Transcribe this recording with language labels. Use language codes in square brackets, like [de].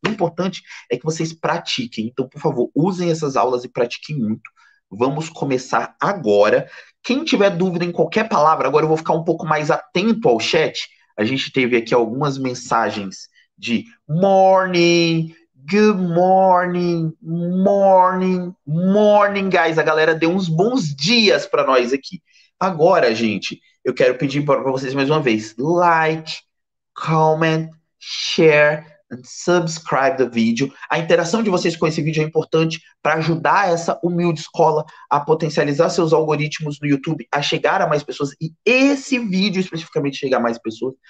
[pt] O importante é que vocês pratiquem. Então, por favor, usem essas aulas e pratiquem muito. Vamos começar agora. Quem tiver dúvida em qualquer palavra, agora eu vou ficar um pouco mais atento ao chat. A gente teve aqui algumas mensagens de morning. [en] Good morning, morning, morning, guys. [pt] A galera deu uns bons dias para nós aqui. Agora, gente, eu quero pedir para vocês mais uma vez: [en] like, comment, share and subscribe the video. [pt] A interação de vocês com esse vídeo é importante para ajudar essa humilde escola a potencializar seus algoritmos no YouTube, a chegar a mais pessoas, e esse vídeo especificamente chegar a mais pessoas.